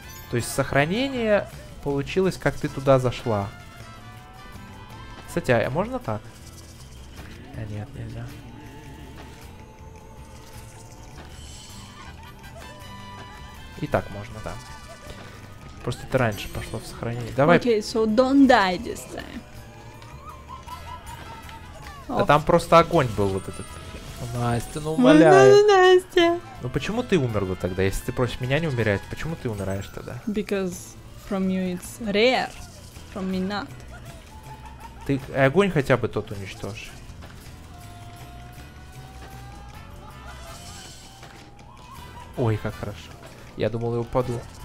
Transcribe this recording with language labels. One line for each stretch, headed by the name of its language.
Russian: То есть сохранение получилось, как ты туда зашла. Кстати, а можно так? А нет, нельзя. И так можно, да. Просто это раньше пошло в сохранение. Давай.
English: Окей, so don't die this time.
Russian: Да там просто огонь был вот этот. Настя, ну умоляю. Настя. Ну почему ты умерла тогда? Если ты просишь меня не умирать, почему ты умираешь тогда?
English: Because from you it's rare. From me not.
Russian: Ты огонь хотя бы тот уничтожь. Ой, как хорошо. Я думал, я упаду.